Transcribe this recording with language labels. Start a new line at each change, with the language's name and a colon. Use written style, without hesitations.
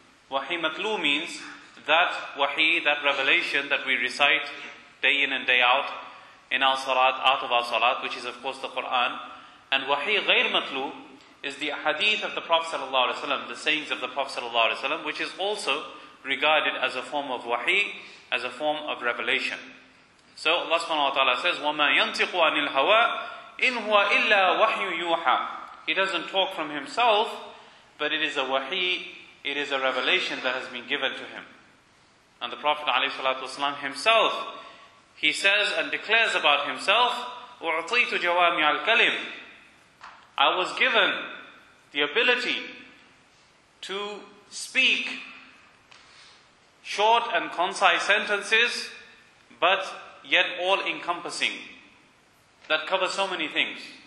English: Wahi matlu means that wahi, that revelation that we recite day in and day out in our salat, out of our salat, which is of course the Quran. And wahi ghair matlu is the hadith of the Prophet ﷺ, the sayings of the Prophet ﷺ, which is also regarded as a form of wahi, as a form of revelation. So Allah subhanahu wa ta'ala says,
Arabic: وَمَا يَنْطِقُ عَنِ الْهَوَىٰ إِنْ هُوَ إِلَّا وَحْيُ يُوحَىٰ.
English: He doesn't talk from himself, but it is a wahi, it is a revelation that has been given to him. And the Prophet ﷺ himself, he says and declares about himself,
Arabic: أُعْطِيتُ جَوَامِعَ الْكَلِمِ.
English: I was given the ability to speak short and concise sentences, but yet all encompassing, that cover so many things.